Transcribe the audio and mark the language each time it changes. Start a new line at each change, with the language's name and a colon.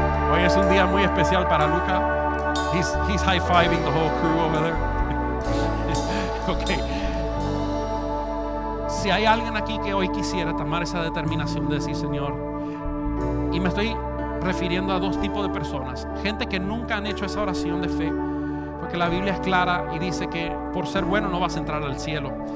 Spanish: Hoy es un día muy especial para Luca.
English: He's high-fiving the whole crew over there. Okay.
Spanish: Si hay alguien aquí que hoy quisiera tomar esa determinación de decir, Señor, y me estoy refiriendo a dos tipos de personas, gente que nunca han hecho esa oración de fe, porque la Biblia es clara y dice que por ser bueno no vas a entrar al cielo.